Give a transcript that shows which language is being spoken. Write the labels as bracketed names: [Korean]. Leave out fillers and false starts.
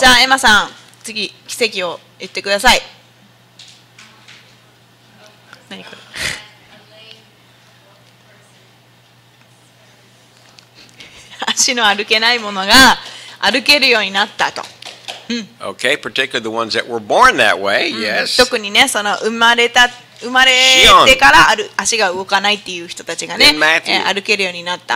[Japanese] じゃあエマさん、次奇跡を言ってください。何これ。足の歩けないものが歩けるようになったと。 [English] Okay, particularly the ones that were born that way, yes. [Japanese] 特にね、その生まれてから足が動かないっていう人たちがね、歩けるようになった。